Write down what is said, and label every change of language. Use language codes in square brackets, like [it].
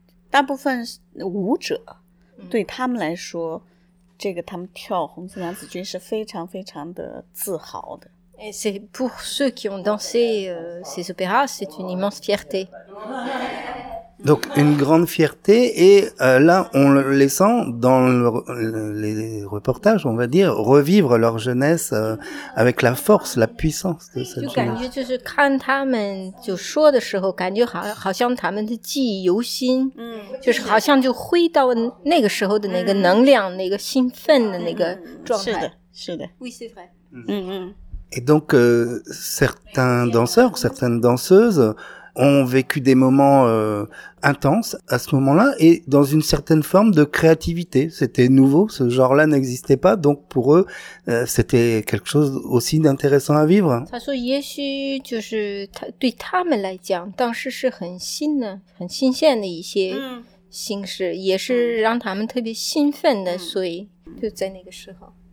[zh] 大部分舞者对他们来说，这个他们跳红色娘子军是非常非常的自豪的。 [fr] Et c'est pour ceux qui ont dansé ces opéras, c'est une immense fierté. Donc une grande fierté, et là on les sent dans les reportages, on va dire, revivre leur jeunesse avec la force, la puissance de cette jeunesse. [zh] 就感觉就是看他们就说的时候，感觉好像他们的记忆犹新，嗯，就是好像就回到那个时候的那个能量，那个兴奋的那个状态。是的，是的。 [fr] Oui, c'est vrai. 嗯嗯。 Et donc certains danseurs, certaines danseuses ont vécu des moments intenses à ce moment-là et dans une certaine forme de créativité. C'était nouveau, ce genre-là n'existait pas, donc pour eux, c'était quelque chose aussi d'intéressant à vivre. Il a dit que peut-être pour eux, à ce moment-là, c'était très nouveau, très nouveau. [zh] 形式也是让他们特别兴奋的、嗯、所以就在那个时候